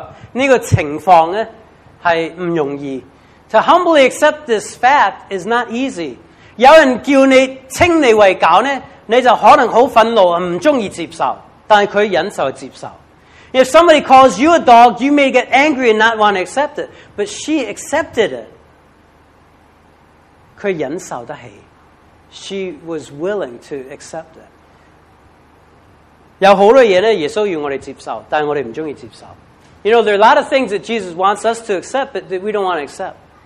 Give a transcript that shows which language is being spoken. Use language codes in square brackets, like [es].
[zh] 那谦卑接受这个情况呢，是不容易。 [en] To humbly accept this fact is not easy. [zh] 有人叫你称你为狗呢, 你就可能很愤怒,不喜欢接受, 但是他忍受接受。 [en] If somebody calls you a dog, you may get angry and not want to accept it, but she accepted it. [zh] 他忍受得起, [en] she was willing to accept it. [zh] 有很多东西呢, 耶稣要我们接受, 但是我们不喜欢接受。 [en] You know, there are a lot of things that Jesus wants us to accept, but that we don't want to accept.